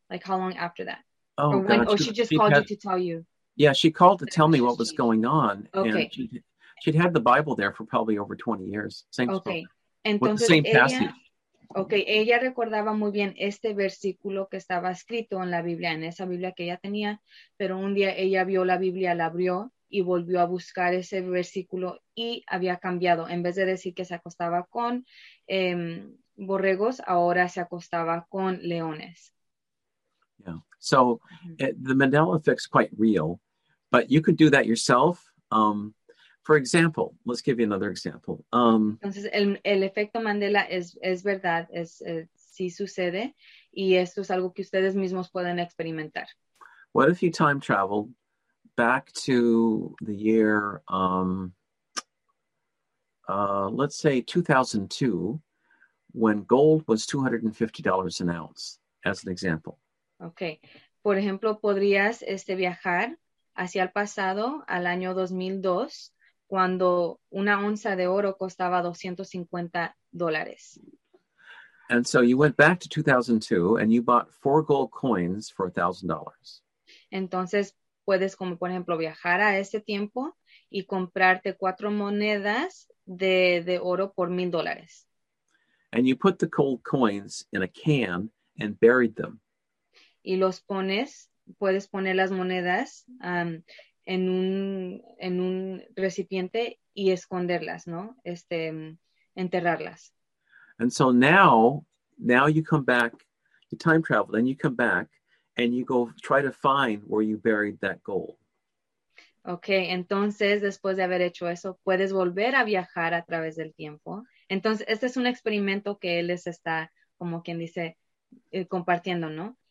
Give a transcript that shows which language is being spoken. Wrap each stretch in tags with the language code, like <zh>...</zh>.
<en>Like how long after that? Oh, or when, or she just called you to tell you? Yeah, she called to tell me what was going on. Okay. And she'd had the Bible there for probably over 20 years. Same spot.</en> <es>Okay. Entonces,</es> <en>same passage.</en> <es>Okay, ella recordaba muy bien este versículo que estaba escrito en la Biblia, en esa Biblia que ella tenía, pero un día ella vio la Biblia, la abrió y volvió a buscar ese versículo y había cambiado. En vez de decir que se acostaba con borregos, ahora se acostaba con leones.</es> <en>Yeah. So the Mandela effect is quite real, but you could do that yourself. For example, let's give you another example.</en> <es>Entonces, el efecto Mandela es verdad, sí sucede, y esto es algo que ustedes mismos pueden experimentar.</es> <en>What if you time traveled back to the year, let's say 2002, when gold was $250 an ounce, as an example? Okay.</en> <es>Por ejemplo, podrías viajar hacia el pasado, al año 2002, cuando una onza de oro costaba $250.</es> <en>And so you went back to 2002 and you bought 4 gold coins for $1,000.</en> <es>Entonces, puedes, como por ejemplo, viajar a ese tiempo y comprarte 4 monedas de oro por $1,000.</es> <en>And you put the gold coins in a can and buried them.</en> <es>Y los pones, puedes poner las monedas en un recipiente y esconderlas, ¿no? Enterrarlas.</es> <en>And so now you come back, you time travel, then you come back and you go try to find where you buried that gold.</en> <es>Okay, entonces después de haber hecho eso, puedes volver a viajar a través del tiempo. Entonces, este es un experimento que él les está, como quien dice, compartiendo, ¿no?</es>